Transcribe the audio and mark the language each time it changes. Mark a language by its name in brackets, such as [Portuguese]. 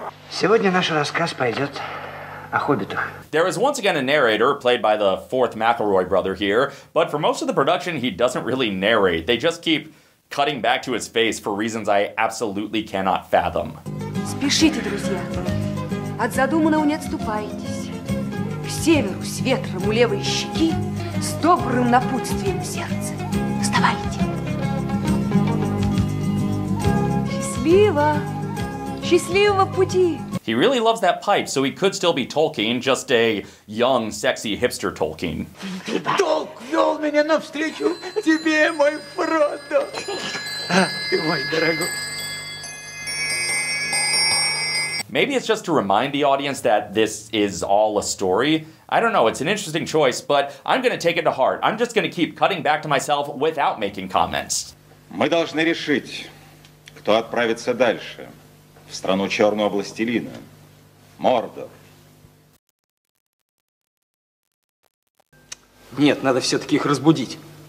[Russian] Сегодня наш рассказ пойдет о хоббитах. [English] There is once again a narrator, played by the fourth McElroy brother here, but for most of the production, he doesn't really narrate. They just keep cutting back to his face for reasons I absolutely cannot fathom. [Russian] Спешите, друзья. От задуманного не отступайтесь. К северу с ветром у левой щеки, с добрым напутствием в сердце. Вставайте. Счастливо. Счастливого пути. [English] He really loves that pipe, so he could still be Tolkien, just a young, sexy hipster Tolkien. [Russian] Толк вёл меня навстречу тебе, мой Фродо. Мой дорогой. [English] Maybe it's just to remind the audience that this is all a story. I don't know, it's an interesting choice, but I'm gonna take it to heart. I'm just gonna keep cutting back to myself without making comments. [Russian] Мы должны решить, кто отправится дальше. В страну черного властелина. Мордор. Нет, надо все-таки их разбудить.